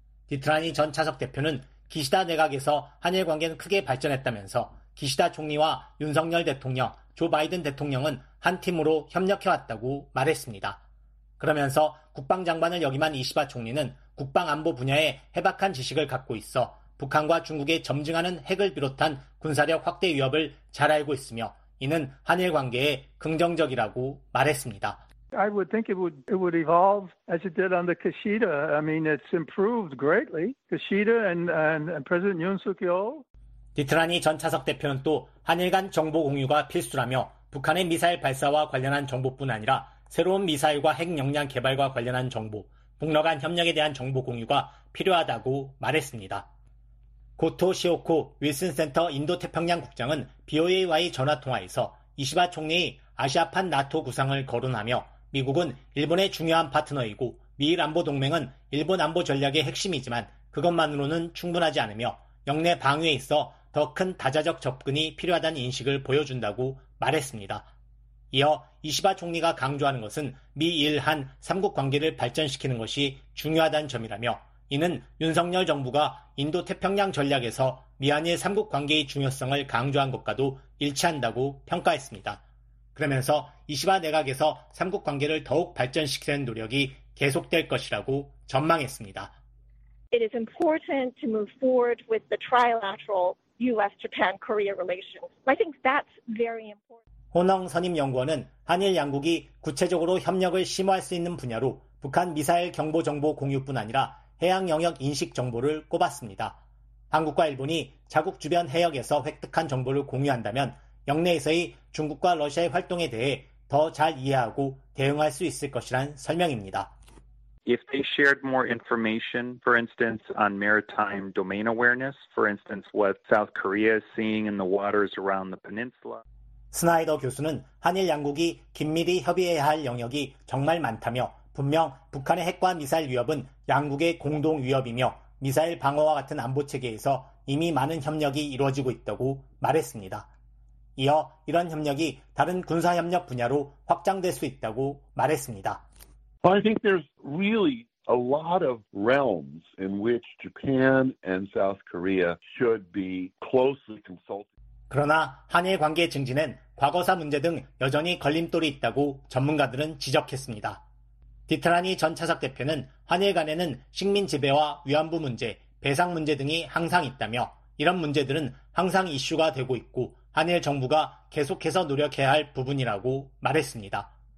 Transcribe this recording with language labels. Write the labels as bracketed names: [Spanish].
[Korean] 디트라니 전 차석 대표는 기시다 내각에서 한일 관계는 크게 발전했다면서 기시다 총리와 윤석열 대통령, 조 바이든 대통령은 한 팀으로 협력해왔다고 말했습니다. 그러면서 국방장관을 역임한 이시바 총리는 국방안보 분야에 해박한 지식을 갖고 있어 북한과 중국의 점증하는 핵을 비롯한 군사력 확대 위협을 잘 알고 있으며 이는 한일 관계에 긍정적이라고 말했습니다. [English] I would think it would evolve as it did under Kishida. I mean, it's improved greatly. Kishida and President Yoon Suk-yeol. [Korean] 디트라니 전 차석 대표는 또 한일 간 정보 공유가 필수라며 북한의 미사일 발사와 관련한 정보뿐 아니라 새로운 미사일과 핵 역량 개발과 관련한 정보, 북러 간 협력에 대한 정보 공유가 필요하다고 말했습니다. 고토 시오코 윌슨 센터 인도태평양 국장은 BOAY 전화통화에서 이시바 총리의 아시아판 나토 구상을 거론하며 미국은 일본의 중요한 파트너이고 미일 안보 동맹은 일본 안보 전략의 핵심이지만 그것만으로는 충분하지 않으며 영내 방위에 있어 더 큰 다자적 접근이 필요하다는 인식을 보여준다고 말했습니다. 이어 이시바 총리가 강조하는 것은 미일한 3국 관계를 발전시키는 것이 중요하다는 점이라며 이는 윤석열 정부가 인도태평양 전략에서 미한일 3국 관계의 중요성을 강조한 것과도 일치한다고 평가했습니다. 그러면서 이시바 내각에서 3국 관계를 더욱 발전시키는 노력이 계속될 것이라고 전망했습니다. [English] It is important to move forward with the trilateral U.S.-Japan-Korea relations. I think that's very important. [Korean] 혼영 선임연구원은 한일 양국이 구체적으로 협력을 심화할 수 있는 분야로 북한 미사일 경보 정보 공유뿐 아니라 해양 영역 인식 정보를 꼽았습니다. 한국과 일본이 자국 주변 해역에서 획득한 정보를 공유한다면 영내에서의 중국과 러시아의 활동에 대해 더 잘 이해하고 대응할 수 있을 것이란 설명입니다. [English] If they shared more information, for instance, on maritime domain awareness, for instance, what South Korea is seeing in the waters around the peninsula. [Korean] 스나이더 교수는 한일 양국이 긴밀히 협의해야 할 영역이 정말 많다며 분명 북한의 핵과 미사일 위협은 양국의 공동 위협이며 미사일 방어와 같은 안보 체계에서 이미 많은 협력이 이루어지고 있다고 말했습니다. 이어 이런 협력이 다른 군사협력 분야로 확장될 수 있다고 말했습니다. [English] I think there's really a lot of realms in which Japan and South Korea should be closely consulted. [Korean] 그러나 한일 관계 증진은 과거사 문제 등 여전히 걸림돌이 있다고 전문가들은 지적했습니다. 디트라니 전 차석 대표는 한일 간에는 식민 지배와 위안부 문제, 배상 문제 등이 항상 있다며 이런 문제들은 항상 이슈가 되고 있고 한일 정부가 계속해서 노력해야 할 부분이라고 말했습니다.